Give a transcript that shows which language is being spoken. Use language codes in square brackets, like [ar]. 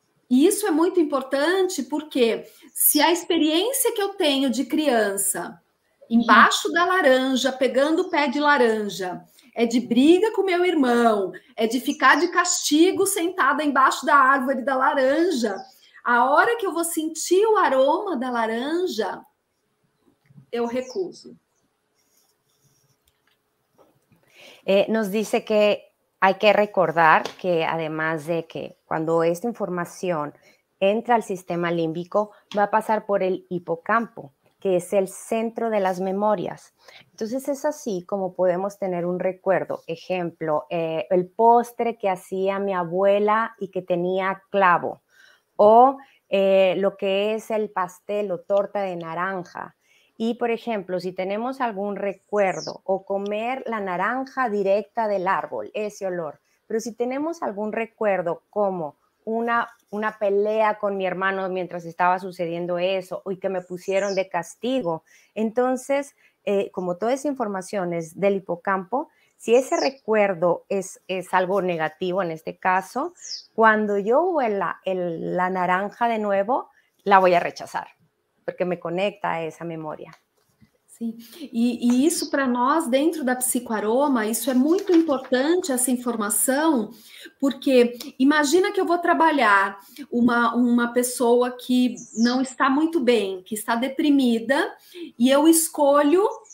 [pt] E isso é muito importante porque se a experiência que eu tenho de criança embaixo da laranja, pegando o pé de laranja, é de briga com meu irmão, é de ficar de castigo sentada embaixo da árvore da laranja, a hora que eu vou sentir o aroma da laranja, eu recuso. [es] Nos disse que hay que recordar que además de que cuando esta información entra al sistema límbico, va a pasar por el hipocampo, que es el centro de las memorias. Entonces es así como podemos tener un recuerdo. Ejemplo, el postre que hacía mi abuela y que tenía clavo. O lo que es el pastel o torta de naranja. Y, por ejemplo, si tenemos algún recuerdo o comer la naranja directa del árbol, ese olor. Pero si tenemos algún recuerdo como una pelea con mi hermano mientras estaba sucediendo eso y que me pusieron de castigo, entonces, como toda esa información es del hipocampo, si ese recuerdo es algo negativo en este caso, cuando yo huela la naranja de nuevo, la voy a rechazar. [pt] Porque me conecta a essa memória. Sim, e isso para nós, dentro da psicoaroma, isso é muito importante, essa informação, porque imagina que eu vou trabalhar uma pessoa que não está muito bem, que está deprimida, e eu escolho